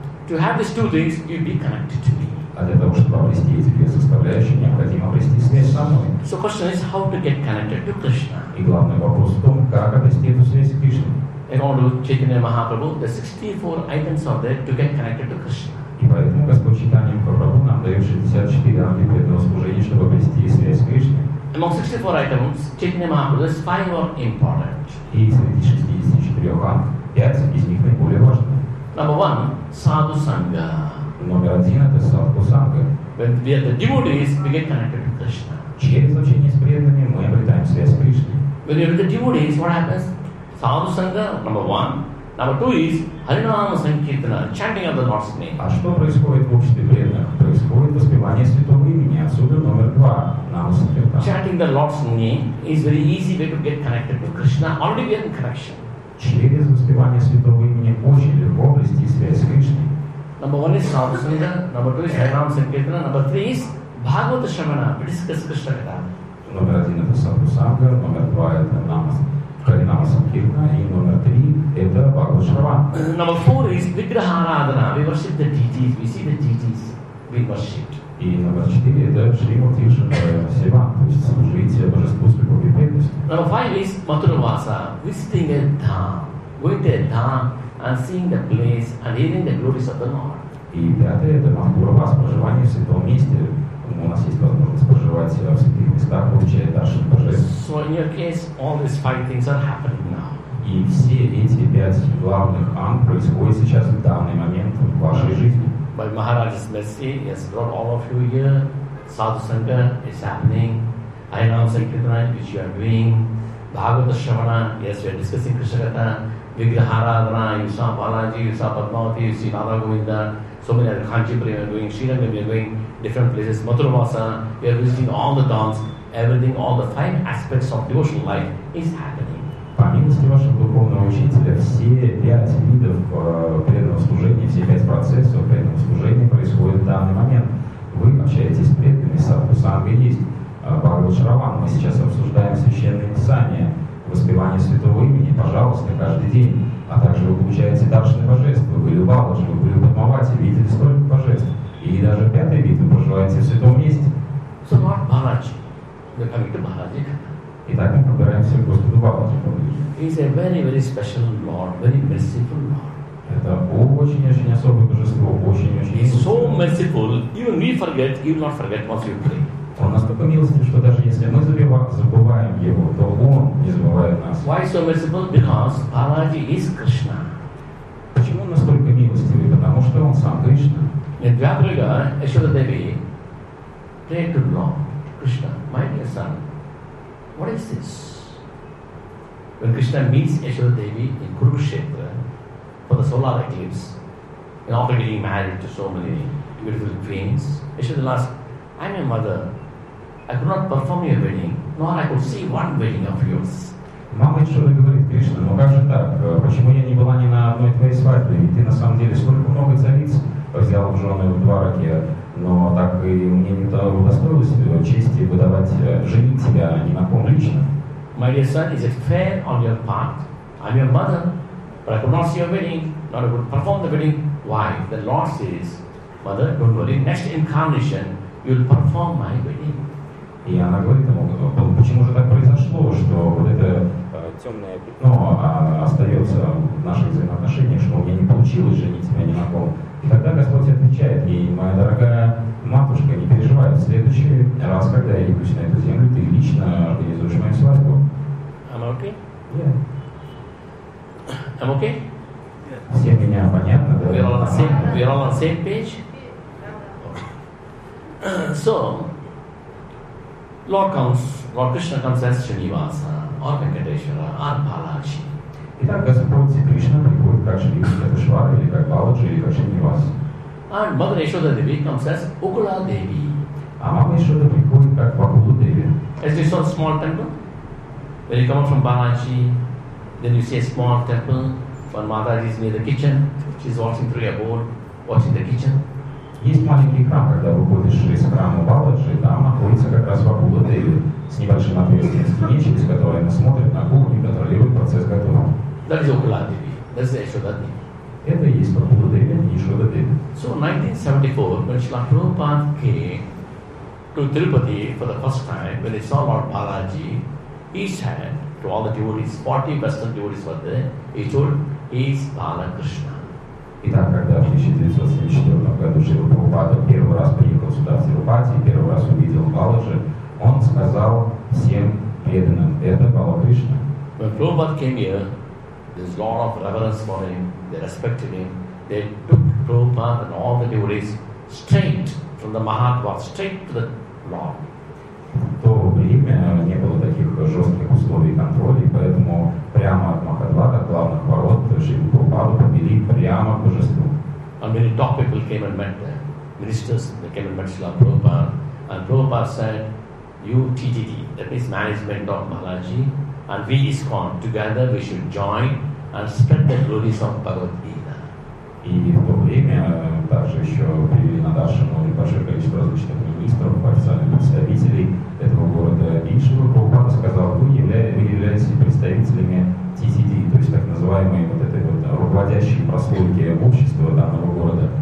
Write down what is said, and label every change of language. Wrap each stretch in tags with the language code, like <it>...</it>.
<en>To have these two things, you'll be connected to me.</en> <ru>А для того, чтобы обрести эти две составляющие, необходимо обрести связь со мной.</ru> <en>So question is, how to get connected to Krishna?</en> <ru>И главный вопрос в том, как обрести эту связь с Кришной.</ru> <en>In order to Chaitanya Mahaprabhu, the 64 items are there to get connected to Krishna.</en> <ru>И поэтому Господь Чайтанья Махапрабху нам дает 64 ранги преданного служения, чтобы обрести связь с Кришной.</ru> <en>Among 64 items, Чайтанья Махапрабху, 5 are important.</en> <ru>И среди 64 ранг, 5 из них наиболее важны.</ru> <en>Number 1, Sadhu Sangha.</en> <ru>Номер 1 – это Sadhu Sangha.</ru> <en>When we are the devotees, we get connected to Krishna.</en> <ru>Через общение с преданными мы обретаем связь с Кришной.</ru> <en>When we are the devotees, what happens? Sadhu Sangha, number 1. Number 2 is Harinama Sankirtana, chanting of the Lord's name.</en> <ru>А что происходит в обществе преданных? Происходит воспевание святого имени. Отсюда номер 2. Нама Санкиртана.</ru> <en>Chanting the Lord's name is very easy way to get connected to Krishna. Already we are in connection.</en> <ru>Через воспевание святого имени очень легко обрести связь с Кришной.</ru> <en>Number 1 is Sadhu Sangha. Number 2 is Harinama Sankirtana. Number 3 is Bhagavata Shravana. We discuss Krishna Katha.</en> <ru>Номер 1 это Sadhu Sangha. Номер 2 это Нама Харинама Санкирна, и номер 3 это Бхагавад Шраван.</ru> <en>Number 4 is Виграхарадана. We worship the deities. We see the deities. We worship.</en> <ru>И номер 4 это Шримати Шриван. То есть служите божеству с любовью и преданностью.</ru> <en>Number 5 is Матурваса. Visiting a dham. Going to a dham and seeing the place and hearing the glories of the Lord.</en> <ru>И пятое это Матурвас, проживание в святом месте. У нас есть возможность проживать в святых местах, получая даршан божеств.</ru> <en>So in your case, all these five things are happening now.</en> <ru>И все эти пять главных анг происходят сейчас, в данный момент, в вашей жизни.</ru> <en>By Maharaj's mercy, he has brought all of you here. Sadhu Sangha is happening. Harinama Sankirtana, which you are doing. Bhagavata Shravana, yes, we are discussing Krishna Katha. Vigraharadana, you saw Balaji, you saw Padmavati, you see Radha Govinda. So many other Kanchipuram we are doing, Srinagar we are going. Different places, Maturvasa, we are visiting all the dhams, everything, all the five aspects of devotional life is happening.</en> <ru>Помимо вашего духовного учителя, все пять видов преданного служения, все пять процессов преданного служения происходят в данный момент. Вы общаетесь с преданными, садху санга есть, Бхагавад Шраван, мы сейчас обсуждаем священные писания, воспевание святого имени, пожалуйста, каждый день, а также вы получаете даршины божеств, вы были Баладжи, вы были Падмавати, видели столько божеств. И даже пятый вид вы проживаете в святом месте.</ru> <en>So Lord Maharaj, we are coming to Maharaji.</en> <ru>Итак, мы собираемся в Господу Бабаджи поближе.</ru> <en>He is a very, very special Lord, very merciful Lord.</en> <ru>Это очень-очень особое божество, очень-очень.</ru> <en>He's so merciful, even we forget, he will not forget once you pray.</en> <ru>Он настолько милостив, что даже если мы забываем его, то он не забывает нас.</ru> <en>Why so merciful? Because Balaji is Krishna.</en> <ru>Почему он настолько милостивый? Потому что он сам Кришна.</ru> <en>In Dvapraga, Yashoda Devi, pray to Lord Krishna, my dear son, what is this? When Krishna meets Yashoda Devi in Kurukshetra, for the solar eclipse, and after getting married to so many beautiful queens, Yashoda asked, I am your mother. I could not perform your wedding, nor I could see one wedding of yours.</en> <ru>Мама Ишоды говорит, Кришна, ну как же так? Почему я не была ни на одной твоей свадьбе? И ты на самом деле сколько много цариц взял в жены в Двараке, но так и мне не удостоило себе чести выдавать, женить тебя, а не на ком лично.</ru> <en>My dear son, is it fair on your part? I'm your mother, but I could not see your wedding, nor I could perform the wedding. Why? The Lord says, mother, don't worry, next incarnation, you'll perform my wedding.</en> <ru>И она говорит ему, почему же так произошло, что вот это темное пятно остается в наших взаимоотношениях, что у меня не получилось женить тебя ни на ком. И тогда Господь отвечает ей, моя дорогая матушка, не переживай, в следующий раз, когда я явлюсь на эту землю, ты лично организуешь мою свадьбу.</ru> <en>I'm okay? Yeah. I'm okay?</en> <ru>Yeah. Все меня понятно, да?</ru> <en>We're all on the same page? So, Lord comes, Lord Krishna comes as Srinivasa, or Venkateshwara, or Balaji.</en> <ru>Итак, Господь Кришна приходит как Шривишвара, или как Баладжи, или как Шринивасу.</ru> <en>And Mother Yashoda Devi comes as Ukula Devi.</en> <ru>А Мама Ишода приходит как Пакула Деви.</ru> <en>As you saw a small temple, when you come from Balaji, then you see a small temple, when Mataji is near the kitchen, she's watching through a board, watching the kitchen.</en> <ru>Есть маленький храм, когда выходишь из храма Баладжи, там находится как раз Вакула Деви с небольшим отверстием в стене, через которое она смотрит на кухню и контролирует процесс готовки.</ru> <en>That is Ukula Devi. That's the Yashoda Devi.</en> <ru>Это и есть Вакула Деви, а не Yashoda Devi.</ru> <en>So, 1974, when Srila Prabhupada came to Tirupati for the first time, when he saw Lord Balaji, he said to all the devotees, 40 Western devotees were there, he told, he is Balakrishna.</en> <ru>Итак, когда в 1974 году Шрила Прабхупада первый раз приехал сюда в Тирупати, первый раз увидел Баладжи, он сказал всем преданным, это Балакришна.</ru> <en>When Prabhupada came here, there's a lot of reverence for him, they respected him, they took Prabhupada and all the devotees straight from the Mahadwar, straight to the Lord.</en> <ru>То время не было таких жестких условий контроля, поэтому прямо от Махадвара, от главных ворот, Шрила Прабхупаду повели прямо к божеству.</ru> <en>And many top people came and met them. Ministers, they came and met Srila Prabhupada. And Prabhupada said, you TTD, that means management of Maharaji, and we ISKCON, together we should join and spread the glories of Bhagavad Gita.</en> <ru>И в то время также еще привели на Даршану небольшое количество различных министров, официальных представителей этого города. И Шрила Прабхупада сказал, вы являетесь представителями TCD, то есть так называемой вот этой вот руководящей прослойки общества данного города.</ru>